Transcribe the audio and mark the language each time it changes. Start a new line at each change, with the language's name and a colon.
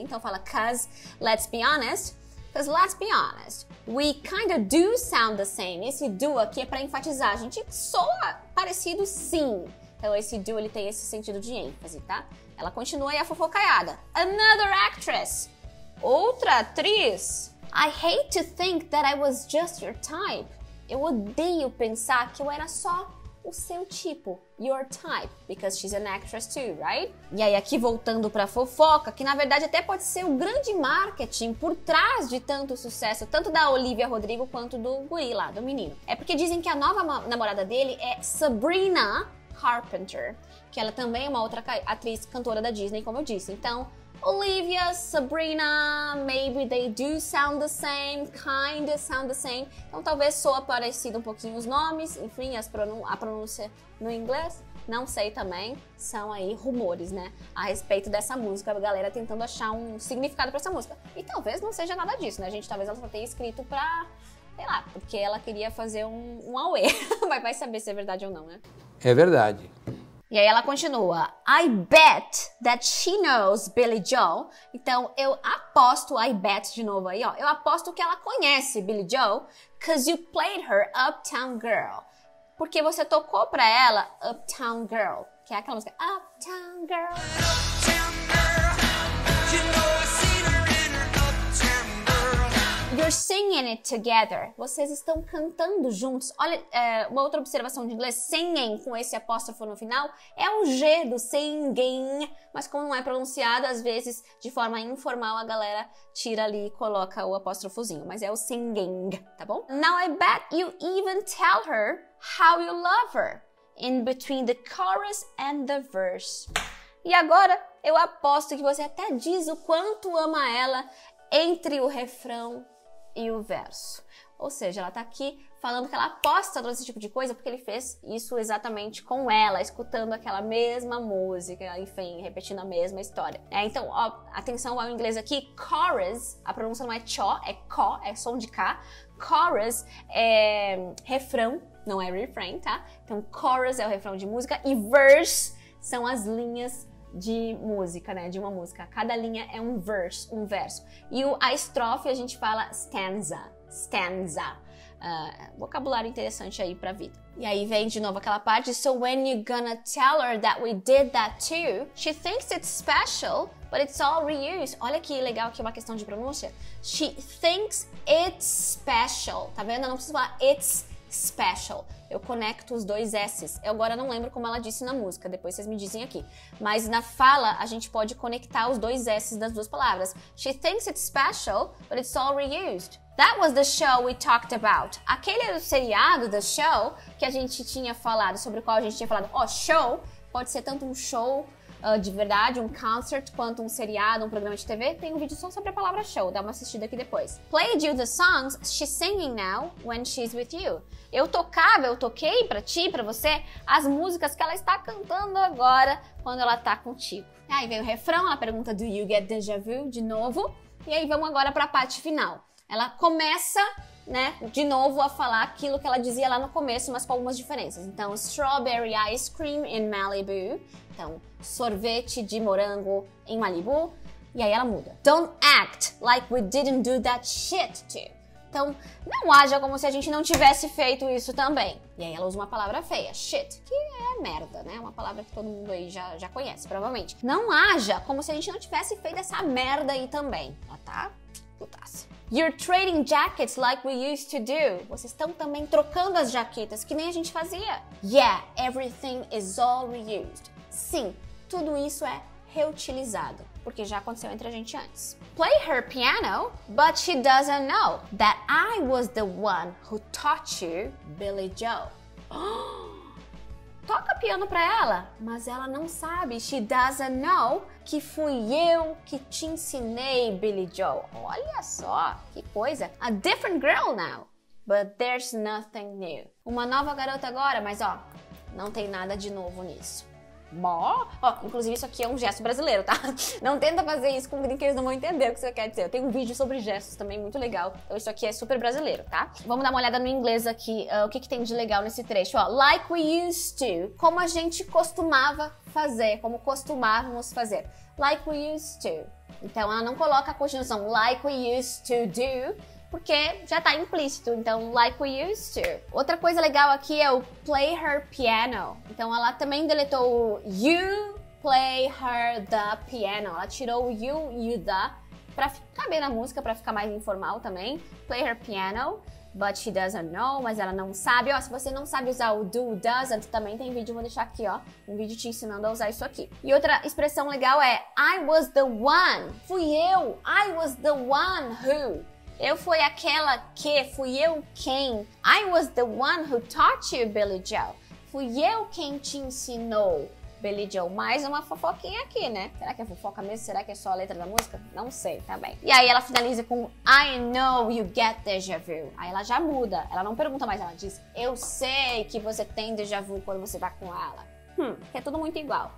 Portuguese: Então fala
English: 'cause, let's be honest. 'Cause let's be honest, we kinda do sound the same.
Portuguese: Esse do aqui é pra enfatizar, a gente soa parecido sim. Então esse do, ele tem esse sentido de ênfase, tá? Ela continua aí a fofocaiada.
English: Another actress.
Portuguese: Outra atriz.
English: I hate to think that I was just your type.
Portuguese: Eu odeio pensar que eu era só o seu tipo.
English: Your type. Because she's an actress too, right?
Portuguese: E aí aqui voltando pra fofoca, que na verdade até pode ser o grande marketing por trás de tanto sucesso, tanto da Olivia Rodrigo quanto do guri lá, do menino. É porque dizem que a nova namorada dele é Sabrina Carpenter, que ela também é uma outra atriz cantora da Disney, como eu disse. Então,
English: Olivia, Sabrina, maybe they do sound the same, kinda sound the same.
Portuguese: Então, talvez soa parecido um pouquinho os nomes, enfim, a pronúncia no inglês. Não sei também, são aí rumores, né, a respeito dessa música, a galera tentando achar um significado pra essa música. E talvez não seja nada disso, né, gente? Talvez ela só tenha escrito pra, sei lá, porque ela queria fazer um auê. Mas vai saber se é verdade ou não, né? É verdade. E aí ela continua.
English: I bet that she knows Billy Joel.
Portuguese: Então eu aposto,
English: I bet
Portuguese: de novo aí, ó. Eu aposto que ela conhece Billy Joel.
English: 'Cause you played her Uptown Girl.
Portuguese: Porque você tocou pra ela Uptown Girl. Que é aquela música. Uptown Girl. Uptown Girl.
English: You know I seen her in her Uptown Girl. You're singing it together.
Portuguese: Vocês estão cantando juntos. Olha, uma outra observação de inglês. Singing, com esse apóstrofo no final, é o G do singing. Mas como não é pronunciado, às vezes, de forma informal, a galera tira ali e coloca o apóstrofozinho. Mas é o singing, tá bom?
English: Now I bet you even tell her how you love her in between the chorus and the verse.
Portuguese: E agora, eu aposto que você até diz o quanto ama ela entre o refrão e o verso. Ou seja, ela tá aqui falando que ela aposta todo esse tipo de coisa porque ele fez isso exatamente com ela, escutando aquela mesma música, enfim, repetindo a mesma história. É, então, ó, atenção ao inglês aqui, chorus, a pronúncia não é cho, é co, é som de k. Chorus é refrão, não é refrain, tá? Então, chorus é o refrão de música e verse são as linhas de música, né? De uma música. Cada linha é um verso. E a estrofe a gente fala stanza, stanza. Vocabulário interessante aí pra vida. E aí vem de novo aquela parte.
English: So when you gonna tell her that we did that too? She thinks it's special, but it's all reused.
Portuguese: Olha que legal aqui, uma questão de pronúncia.
English: She thinks it's special.
Portuguese: Tá vendo? Eu não preciso falar
English: it's special.
Portuguese: Eu conecto os dois S's. Eu agora não lembro como ela disse na música. Depois vocês me dizem aqui. Mas na fala, a gente pode conectar os dois S's das duas palavras.
English: She thinks it's special, but it's all reused. That was the show we talked about.
Portuguese: Aquele era o seriado, the show, que a gente tinha falado, sobre o qual a gente tinha falado. Ó, show, pode ser tanto um show de verdade, um concert, quanto um seriado, um programa de TV. Tem um vídeo só sobre a palavra show, dá uma assistida aqui depois. Played you the songs she's singing now when she's with you. Eu tocava, eu toquei pra ti, pra você, as músicas que ela está cantando agora, quando ela tá contigo. Aí vem o refrão, ela pergunta
English: do you get déjà vu,
Portuguese: de novo. E aí vamos agora pra parte final. Ela começa, né, de novo a falar aquilo que ela dizia lá no começo, mas com algumas diferenças. Então,
English: strawberry ice cream in Malibu.
Portuguese: Então, sorvete de morango em Malibu. E aí ela muda.
English: Don't act like we didn't do that shit too.
Portuguese: Então, não haja como se a gente não tivesse feito isso também. E aí ela usa uma palavra feia, shit, que é merda, né? Uma palavra que todo mundo aí já conhece, provavelmente. Não haja como se a gente não tivesse feito essa merda aí também. Ela tá putaça.
English: You're trading jackets like we used to do.
Portuguese: Vocês estão também trocando as jaquetas, que nem a gente fazia.
English: Yeah, everything is all reused.
Portuguese: Sim, tudo isso é reutilizado, porque já aconteceu entre a gente antes.
English: Play her piano, but she doesn't know that I was the one who taught you Billy Joe.
Portuguese: Toca piano pra ela, mas ela não sabe.
English: She doesn't know
Portuguese: que fui eu que te ensinei, Billy Joe. Olha só, que coisa.
English: A different girl now, but there's nothing new.
Portuguese: Uma nova garota agora, mas ó, não tem nada de novo nisso. Mó? Ó, inclusive isso aqui é um gesto brasileiro, tá? Não tenta fazer isso com gringos que eles não vão entender o que você quer dizer. Eu tenho um vídeo sobre gestos também, muito legal. Então isso aqui é super brasileiro, tá? Vamos dar uma olhada no inglês aqui, o que tem de legal nesse trecho. Ó,
English: like we used to.
Portuguese: Como a gente costumava fazer, como costumávamos fazer.
English: Like we used to.
Portuguese: Então ela não coloca a conjunção
English: like we used to do,
Portuguese: porque já tá implícito, então,
English: like we used to.
Portuguese: Outra coisa legal aqui é o
English: play her piano.
Portuguese: Então, ela também deletou o
English: you play her the piano.
Portuguese: Ela tirou o you the, pra caber na música, pra ficar mais informal também.
English: Play her piano, but she doesn't know,
Portuguese: mas ela não sabe. Ó, se você não sabe usar o do, doesn't, também tem vídeo, vou deixar aqui, ó. Um vídeo te ensinando a usar isso aqui. E outra expressão legal é
English: I was the one.
Portuguese: Fui eu.
English: I was the one who.
Portuguese: Eu fui aquela que, fui eu quem.
English: I was the one who taught you, Billy Joe.
Portuguese: Fui eu quem te ensinou, Billy Joe. Mais uma fofoquinha aqui, né? Será que é fofoca mesmo? Será que é só a letra da música? Não sei, tá bem. E aí ela finaliza com
English: I know you get déjà vu.
Portuguese: Aí ela já muda. Ela não pergunta mais, ela diz eu sei que você tem déjà vu quando você vai com ela. É tudo muito igual.